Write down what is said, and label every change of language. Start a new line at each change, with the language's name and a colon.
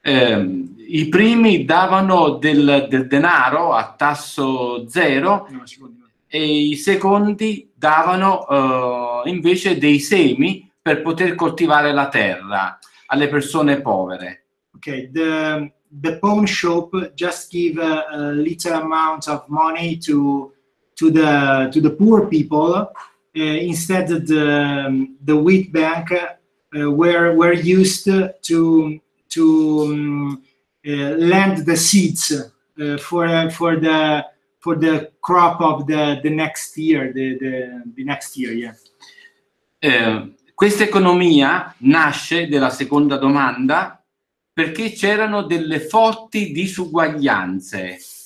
Italian: I primi davano del denaro a tasso zero e i secondi davano invece dei semi per poter coltivare la terra alle persone povere.
English: Okay, the pawn shop just give a little amount of money to the poor people. Instead, the wheat bank were used to lend the seeds for the crop of the next year. Yeah.
Italian: Questa economia nasce, della seconda domanda, perché c'erano delle forti disuguaglianze.